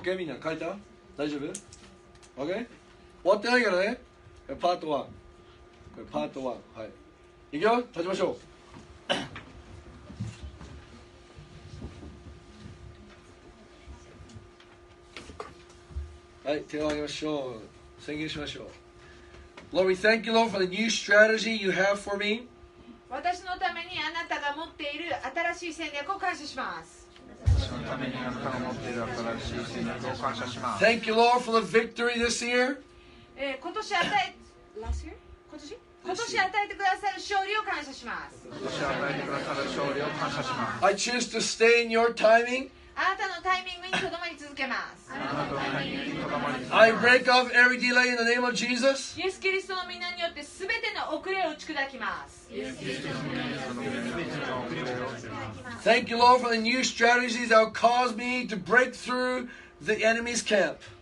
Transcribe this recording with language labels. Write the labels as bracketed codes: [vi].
[ja] OK みんな書いた大丈夫 OK 終わってないからねパート1これパート1、はい、いくよ立ちましょうはい手を挙げましょう宣言しましょう [en] Lord we thank you Lord for the new strategy you have for me [ja] 私のためにあなたが持っている新しい戦略を感謝します。私のためにあなたが持っている新しい戦略を感謝します。 [en] Thank you, Lord, for the victory this year. [ja] 今年与え、今年与えてくださる勝利を感謝します。今年与えてくださる勝利を感謝します。 [en] I choose to stay in your timing. [ja] あなたのタイミングにとどまり続けます。 [en] I break off every delay in the name of Jesus. [ja] イエス・キリストの皆によってすべての遅れを打ち砕きます。 [en] Thank you, Lord, for the new strategies that will cause me to break through the enemy's camp.